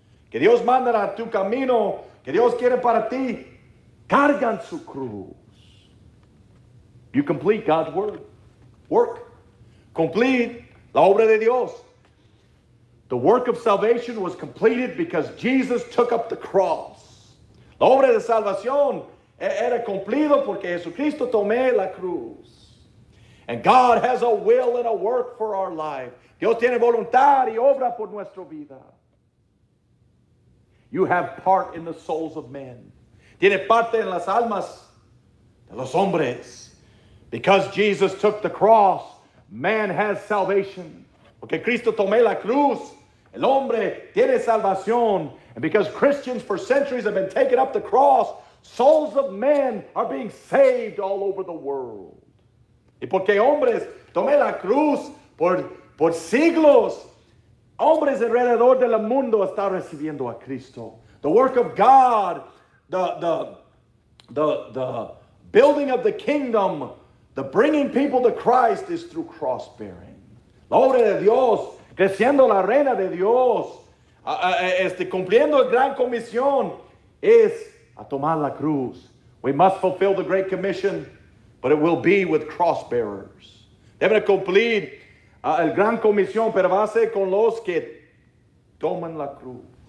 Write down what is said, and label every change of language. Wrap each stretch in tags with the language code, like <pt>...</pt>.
<es>Que Dios manda a tu camino, que Dios quiere para ti, cargan su cruz.</es> <en>You complete God's word. Work.</en> <es>Complete la obra de Dios.</es> <en>The work of salvation was completed because Jesus took up the cross.</en> <es>La obra de salvación era cumplido porque Jesucristo tomó la cruz.</es> <en>And God has a will and a work for our life.</en> <es>Dios tiene voluntad y obra por nuestra vida.</es> <en>You have part in the souls of men.</en> <es>Tiene parte en las almas de los hombres.</es> <en>Because Jesus took the cross, man has salvation.</en> <es>Porque Cristo tomó la cruz, el hombre tiene salvación.</es> <en>And because Christians for centuries have been taking up the cross, souls of men are being saved all over the world.</en> <es>Y porque hombres tomé la cruz por siglos, hombres alrededor del mundo están recibiendo a Cristo.</es> <en>The work of God, the building of the kingdom, the bringing people to Christ is through cross bearing.</en> <es>La obra de Dios, creciendo la reina de Dios, cumpliendo la gran comisión, es a tomar la cruz.</es> <en>We must fulfill the great commission, but it will be with cross bearers.</en> <es>Deben cumplir el gran comisión, pero va a ser con los que toman la cruz.</es>